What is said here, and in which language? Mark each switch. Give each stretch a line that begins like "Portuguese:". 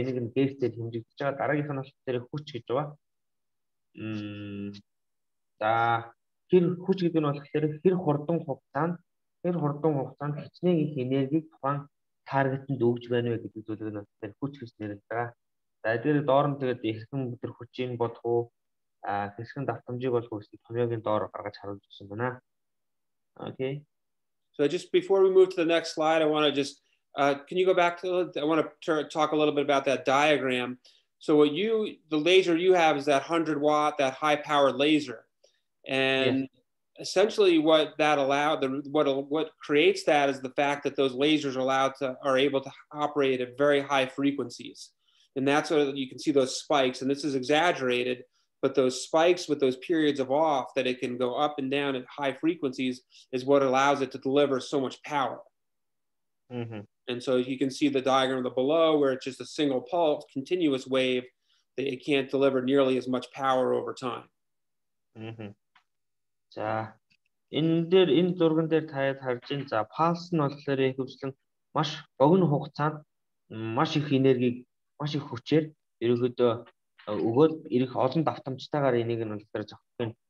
Mongolian: Энийг нь гейтээр хэмжигдэж байгаа. Дараагийнх нь болохоор хүч гэж байгаа. За хэр хүч гэдэг нь болохоор хэр хурдан хугацаанд хичнээн их энергийг тухайн таргетанд өгж байна вэ гэдэг зүйлийг нь болохоор хүч гэж нэрлэж байгаа. За эдгээр доор нь тэгээд хэрхэн өдр хүчийг болох уу хэрхэн давтамжийг болох уу гэсэн томьёогийн доор гаргаж харуулж өгсөн байна.
English: Окей. So just before we move to the next slide, I want to just can you go back to I want to talk a little bit about that diagram. So what you, the laser you have is that 100 watt, that high power laser. And yes. Essentially what that allowed, what creates that is the fact that those lasers are able to operate at very high frequencies. And that's what you can see those spikes, and this is exaggerated, but those spikes with those periods of off that it can go up and down at high frequencies is what allows it to deliver so much power. Mm-hmm. And so you can see the diagram of the below where it's just a single pulse, continuous wave, that it can't deliver nearly as much power over time.
Mongolian: За энэ дээр энэ зурган дээр таад харж байгаа. За pulse нь болохоор ихэвчлэн маш богино хугацаанд маш их энергийг маш их хүчээр ерөөхдөө өгөөд ирэх олон давтамжтайгаар энийг нь болохоор зохицох юм.